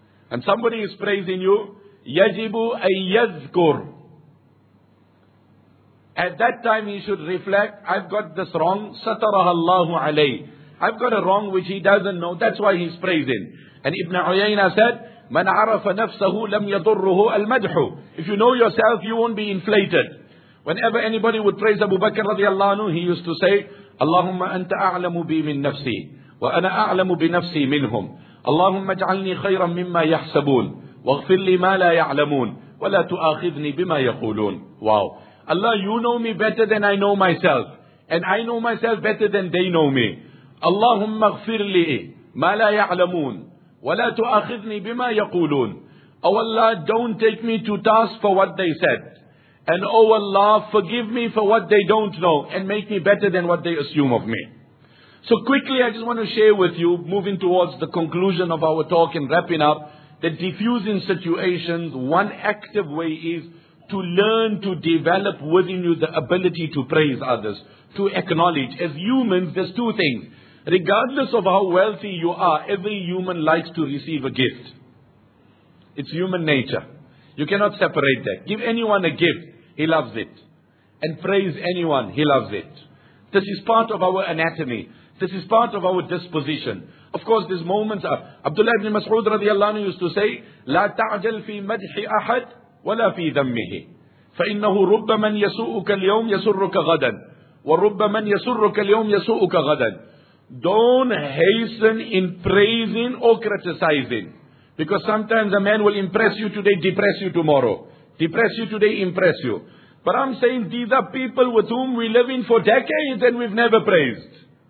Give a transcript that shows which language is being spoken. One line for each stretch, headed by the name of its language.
English: And somebody is praising you,
Arabic: يَجِبُ أَن يَذْكُرُ.
English: At that time he should reflect, I've got this wrong,
Arabic: سَتَرَهَ اللَّهُ عَلَيْهِ.
English: I've got a wrong which he doesn't know, that's why he's praising. And Ibn Uyayna said,
Arabic: مَنْ عَرَفَ نَفْسَهُ لَمْ يَضُرُّهُ الْمَدْحُ.
English: If you know yourself, you won't be inflated. Whenever anybody would praise Abu Bakr radiallahu anhu, he used to say,
Arabic: اللَّهُمَّ أَنْتَ أَعْلَمُ بِي مِنْ نَفْسِي وَأَنَا أَعْلَمُ بِنَفْسِي مِنْهُمْ اللَّهُمَّ اجْعَلْنِي خَيْرًا مِمَّا يَحْسَبُونَ وَاغْفِرْ لِي مَا لَا يَعْلَمُونَ وَلَا تُؤَاخِذْنِي بِمَا يَقُولُونَ.
English: Wow. Allah, you know me better than I know myself, and I know myself better than they know me.
Arabic: اللَّهُمَّ اغْفِرْ لِي مَا لَا يَعْلَمُونَ وَلَا تُؤَخِذْنِي بِمَا يَقُولُونَ.
English: Oh Allah, don't take me to task for what they said. And oh Allah, forgive me for what they don't know and make me better than what they assume of me. So quickly, I just want to share with you, moving towards the conclusion of our talk and wrapping up, that diffusing situations, one active way is to learn to develop within you the ability to praise others, to acknowledge. As humans, there's two things. Regardless of how wealthy you are, every human likes to receive a gift. It's human nature. You cannot separate that. Give anyone a gift, he loves it. And praise anyone, he loves it. This is part of our anatomy. This is part of our disposition. Of course, these moments are. Abdullah ibn Mas'ud radiallahu anhu used to say,
Arabic: لا تعجل في مدح أحد ولا في ذمه فإنه رب من يسوءك اليوم يسرك غدا ورب من يسرك اليوم يسوءك غدا.
English: Don't hasten in praising or criticizing. Because sometimes a man will impress you today, depress you tomorrow. Depress you today, impress you. But I'm saying these are people with whom we live in for decades and we've never praised.